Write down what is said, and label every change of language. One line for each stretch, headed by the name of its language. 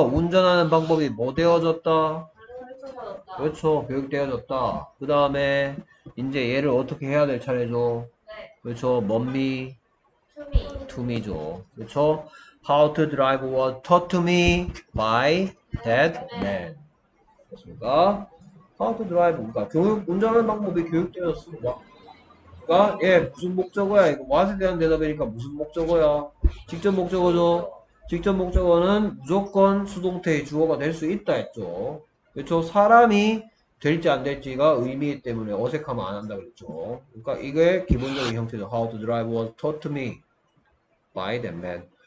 Korean: 운전하는 방법이 뭐 되어졌다? 그렇죠. 교육되어졌다. 그 다음에, 이제 얘를 어떻게 해야 될 차례죠? 네. 그렇죠. 멈미.
English: To me. To me
Korean: 죠. 그렇죠.
English: How to drive was taught to me by that man.
Korean: 그렇습니까?
English: How to drive.
Korean: 그러니까 교육, 운전하는 방법이 교육되어졌습니다. 예, 무슨 목적어야? 이거 what에 대한 대답이니까 무슨 목적어야? 직접 목적어죠. 직접 목적어는 무조건 수동태의 주어가 될 수 있다 했죠. 그렇죠? 사람이 될지 안 될지가 의미이기 때문에 어색하면 안 한다 그랬죠. 그러니까 이게 기본적인 형태죠.
English: How to drive was taught me by that man.